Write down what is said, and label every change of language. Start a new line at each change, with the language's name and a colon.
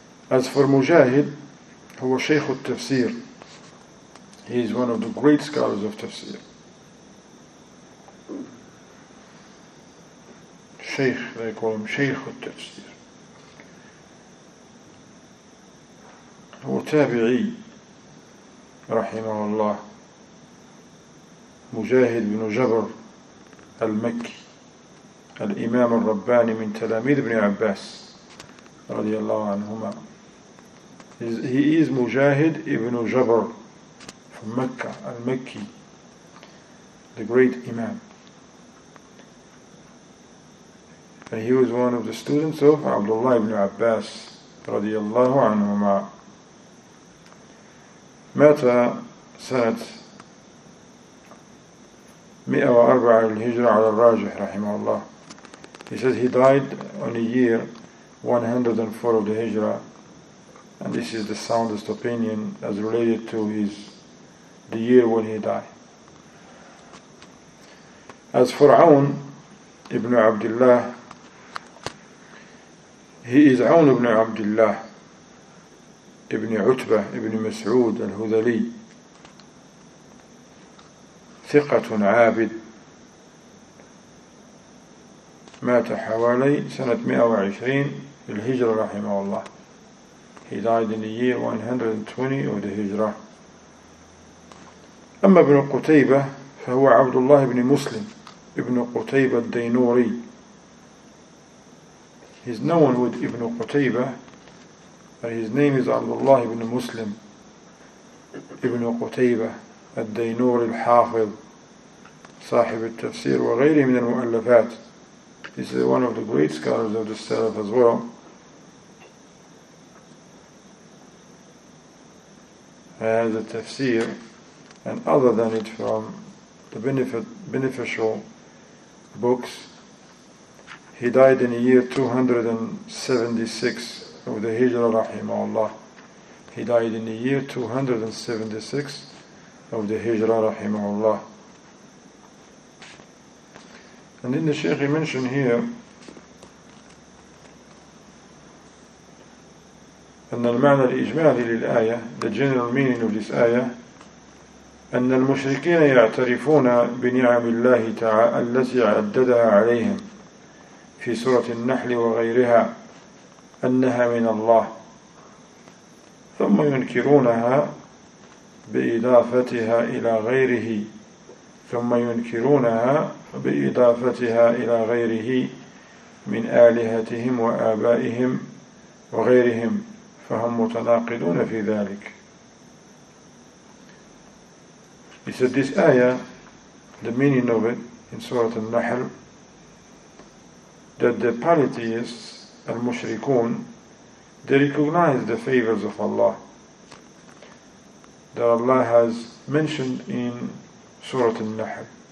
English: As for Mujahid, who was Shaykh al-Tafsir, he is one of the great scholars of Tafsir. Shaykh, they call him Shaykh al-Tafsir.
Arabic: هو تابعي رحمه الله مجاهد بن جبر المكي الإمام الرباني من تلاميذ ابن عباس رضي الله عنهما.
English: He is مجاهد ابن جبر from مكة المكي, the great Imam. And he was one of the students of عبد الله بن عباس
Arabic: رضي الله عنهما. مات سنة 104 للهجرة على الراجح رحمه الله.
English: He says he died on a year 104 of the Hijra, and this is the soundest opinion as related to his the year when he died. As for Awn ibn Abdullah,
Arabic: he is Awn ibn Abdullah ابن عتبة ابن مسعود الهذلي, ثقة عابد, مات حوالي سنة 120 الهجرة رحمه الله.
English: He died in the year 120 of the هجرة.
Arabic: أما ابن قتيبة فهو عبد الله بن مسلم ابن قتيبة الدينوري.
English: He's known with ابن قتيبة, and his name is Abdullah ibn Muslim ibn Qutaybah al-Daynur al-Hafidh,
Arabic: sahib al-Tafsir wa ghayri min al-Mu'allafat.
English: This is one of the great scholars of the Salaf as well. Has a Tafsir, and other than it from the beneficial books, he died in the year 276 of the Hijrah rahimahullah. He died in the year 276 of the Hijrah rahimahullah. And then the Shaykh mentioned here
Arabic: أن المعنى الإجمالي للآية,
English: the general meaning of this
Arabic: آية, أن المشركين يعترفون بنعم الله تعالى التي عددها عليهم في سورة النحل وغيرها أنها من الله, ثم ينكرونها بإضافتها إلى غيره, ثم ينكرونها بإضافتها إلى غيره من آلهتهم وآبائهم وغيرهم, فهم متناقضون في ذلك.
English: He said this ayah, the meaning of it in Surah An-Nahl, that the polytheists, al-mushrikun, they recognize the favors of Allah that Allah has mentioned in Surah An-Nahl.